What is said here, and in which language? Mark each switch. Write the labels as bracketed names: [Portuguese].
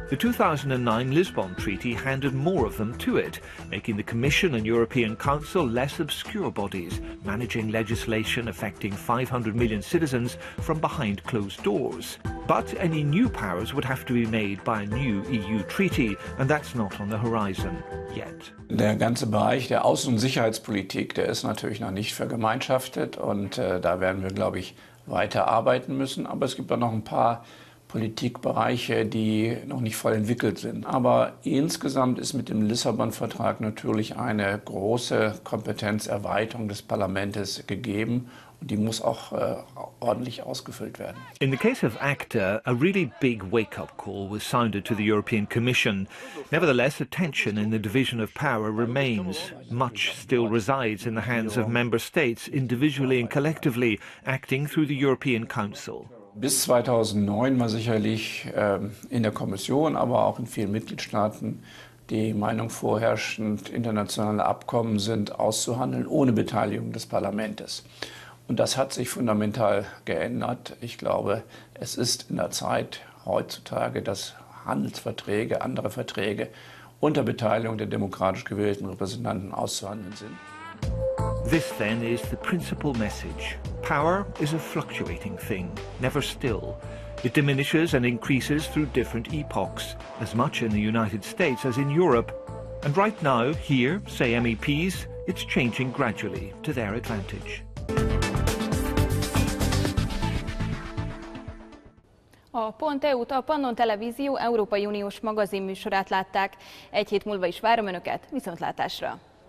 [English] The 2009 Lisbon Treaty handed more of them to it, making the Commission and European Council less obscure bodies, managing legislation affecting 500 million citizens from behind closed doors. But any new powers would have to be made by a new EU treaty, and that's not on the horizon yet. [German] Der ganze Bereich der Außen- und Sicherheitspolitik, der ist natürlich noch nicht vergemeinschaftet, und da werden wir, glaube ich, weiter arbeiten müssen. Aber es gibt auch noch ein paar Politikbereiche, die noch nicht voll entwickelt sind. Aber insgesamt ist mit dem Lissabon-Vertrag natürlich eine große Kompetenzerweiterung des Parlaments gegeben. Die muss auch ordentlich ausgefüllt werden. [English] In the case of ACTA, a really big wake-up call was sounded to the European Commission. Nevertheless, a tension in the division of power remains. Much still resides in the hands of member states, individually and collectively, acting through the European Council. [German] Bis 2009 war sicherlich in der Kommission, aber auch in vielen Mitgliedstaaten die Meinung vorherrschend, internationale Abkommen sind auszuhandeln ohne Beteiligung des Parlaments. Und das hat sich fundamental geändert. Ich glaube, es ist in der Zeit heutzutage, dass Handelsverträge, andere Verträge unter Beteiligung der demokratisch gewählten Repräsentanten auszuhandeln sind. [English] This then is the principal message. Power is a fluctuating thing, never still. It diminishes and increases through different epochs, as much in the United States as in Europe. And right now, here, say MEPs, it's changing gradually to their advantage. [Hungarian] A Pont.eu-t, a Pannon Televízió Európai Uniós magazinműsorát látták. Egy hét múlva is várom Önöket, viszontlátásra!